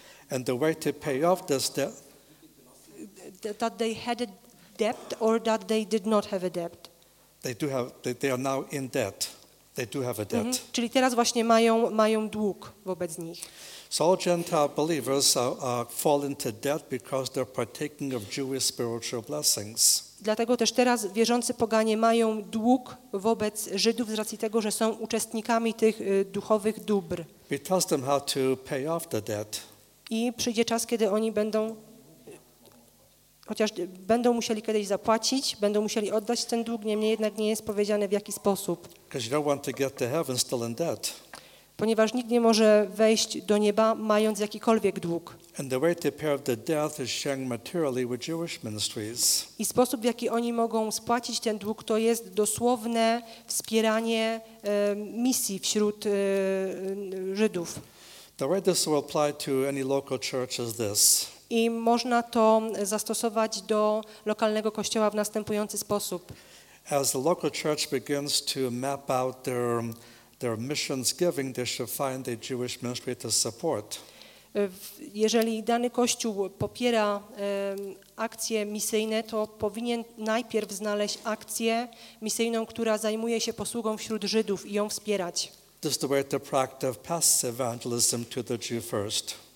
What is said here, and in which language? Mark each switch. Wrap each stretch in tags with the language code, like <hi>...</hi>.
<en>And the way to pay off this debt. That they had a debt or that they did not have a debt. They are now in debt. They do have a debt. Mm-hmm.</en> <pl>Czyli teraz właśnie mają dług wobec nich.</pl> <en>So all Gentile believers fall into debt because they're partaking of Jewish spiritual blessings.</en> <pl>Dlatego też teraz wierzący poganie mają dług wobec Żydów z racji tego, że są uczestnikami tych duchowych dóbr.</pl> <en>He tells them how to pay off the debt.</en> <pl>I przyjdzie czas, kiedy oni będą, chociaż będą musieli kiedyś zapłacić, będą musieli oddać ten dług, niemniej jednak nie jest powiedziane, w jaki sposób.</pl> <en>Because you don't want to get to heaven still in debt.</en> <pl>Ponieważ nikt nie może wejść do nieba, mając jakikolwiek dług.</pl> <en>And the way to pay off the debt is sharing materially with Jewish ministries.</en> <pl>I sposób, w jaki oni mogą spłacić ten dług, to jest dosłowne wspieranie misji wśród Żydów.</pl> <en>The way this will apply to any local church is this.</en> <pl>I można to zastosować do lokalnego kościoła w następujący sposób.</pl> <en>As the local church begins to map out their missions giving, they should find a Jewish ministry to support.</en> <pl>Jeżeli dany kościół popiera akcje misyjne, to powinien najpierw znaleźć akcję misyjną, która zajmuje się posługą wśród Żydów i ją wspierać.</pl> <en>This is the way to practice past evangelism to the Jew first.</en>